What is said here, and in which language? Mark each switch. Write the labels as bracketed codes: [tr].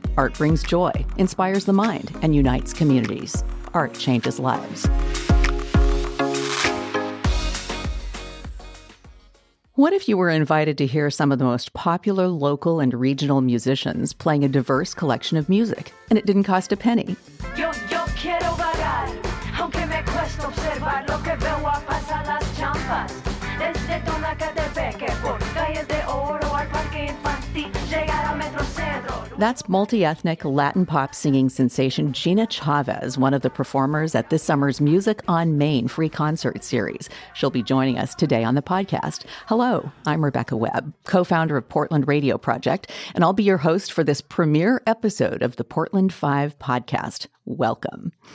[en] Art brings joy, inspires the mind, and unites communities. Art changes lives. What if you were invited to hear some of the most popular local and regional musicians playing a diverse collection of music, and it didn't cost a penny? [es] Yo, quiero vagar, aunque me cuesta observar lo que veo a pasar las champas. Desde Tonacatepeque, por calles de oro al parque infantil, llegar a Metro Cedro. [en] That's multi-ethnic Latin pop singing sensation Gina Chavez, one of the performers at this summer's Music on Main free concert series. She'll be joining us today on the podcast. Hello, I'm Rebecca Webb, co-founder of Portland Radio Project, and I'll be your host for this premiere episode of the Portland 5 podcast. Welcome.